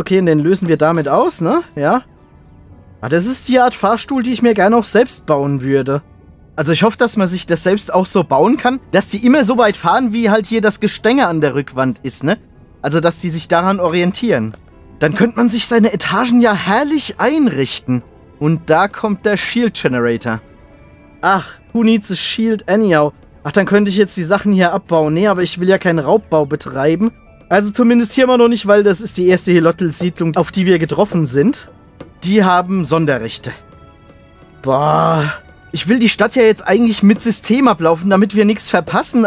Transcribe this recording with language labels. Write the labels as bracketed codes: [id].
[de] Okay, und den lösen wir damit aus, ne? Ja. Ah, das ist die Art Fahrstuhl, die ich mir gerne auch selbst bauen würde. Also ich hoffe, dass man sich das selbst auch so bauen kann, dass die immer so weit fahren, wie halt hier das Gestänge an der Rückwand ist, ne? Also, dass die sich daran orientieren. Dann könnte man sich seine Etagen ja herrlich einrichten. Und da kommt der Shield Generator. [en] Ach, who needs a shield anyhow? [de] Ach, dann könnte ich jetzt die Sachen hier abbauen. Nee, aber ich will ja keinen Raubbau betreiben. Also zumindest hier mal noch nicht, weil das ist die erste Hilottl-Siedlung, auf die wir getroffen sind. Die haben Sonderrechte. Boah. Ich will die Stadt ja jetzt eigentlich mit System ablaufen, damit wir nichts verpassen.